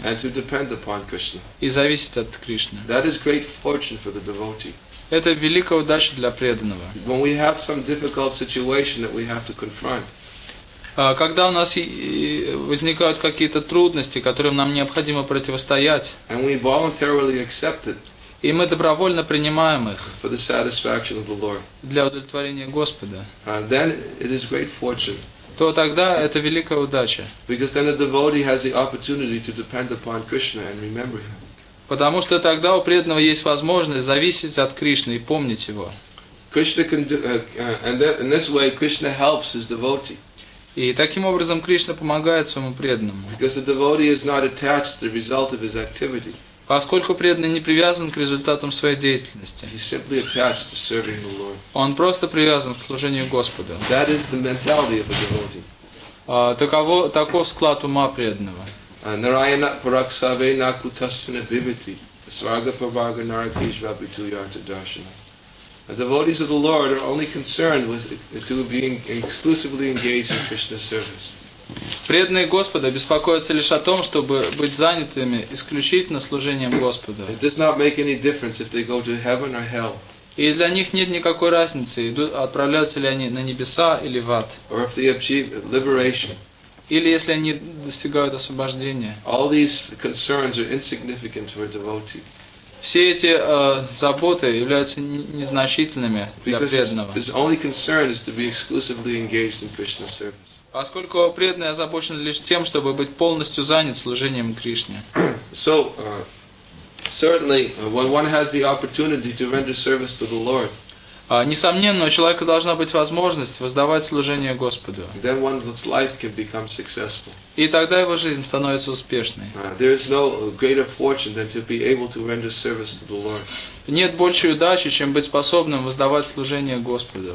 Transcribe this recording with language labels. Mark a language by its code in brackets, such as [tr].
[en] and to depend upon Krishna. [ru] И зависеть от Кришны. [en] That is great fortune for the devotee. [ru] Это великая удача для преданного. [en] When we have some difficult situation that we have to confront. [ru] Когда у нас возникают какие-то трудности, которым нам необходимо противостоять, [en] and we voluntarily accept it. [ru] И мы добровольно принимаем их [en] for the satisfaction of the Lord. [ru] Для удовлетворения Господа. [en] And then it is great fortune. [ru] То тогда это великая удача. [en] Because then the devotee has the opportunity to depend upon Krishna and remember him. [ru] Потому что тогда у преданного есть возможность зависеть от Кришны и помнить его. [en] Krishna can do, and that, in this way Krishna helps his devotee. [ru] И таким образом Кришна помогает своему преданному. [en] Because the devotee is not attached to the result of his activity. [ru] Поскольку преданный не привязан к результатам своей деятельности, [en] he's simply attached to serving the Lord. [ru] Он просто привязан к служению Господу. [en] That is the mentality of a devotee. [ru] Таков склад ума преданного. Narayana Paraksave Nakutasthana Viviti Svarga Parvaga Narakish Vabituyarta Darshana. [en] The devotees of the Lord are only concerned with to being exclusively engaged in Krishna's service. [ru] Преданные Господа беспокоятся лишь о том, чтобы быть занятыми исключительно служением Господа. [en] It does not make any difference if they go to heaven or hell. [ru] И для них нет никакой разницы, отправляются ли они на небеса или в ад. [en] Or if they achieve liberation. [ru] Или если они достигают освобождения. [en] All these concerns are insignificant to a devotee. [ru] Все эти заботы являются незначительными для преданного. [en] Because his only concern is to be exclusively engaged in Krishna's service. [ru] Поскольку преданный озабочен лишь тем, чтобы быть полностью занят служением Кришне. [en] So, certainly, when one has the opportunity to render service to the Lord, [ru] Несомненно, у человека должна быть возможность воздавать служение Господу. [en] Then one's life can become successful. [ru] И тогда его жизнь становится успешной. [en] There is no greater fortune than to be able to render service to the Lord. [ru] Нет большей удачи, чем быть способным воздавать служение Господу.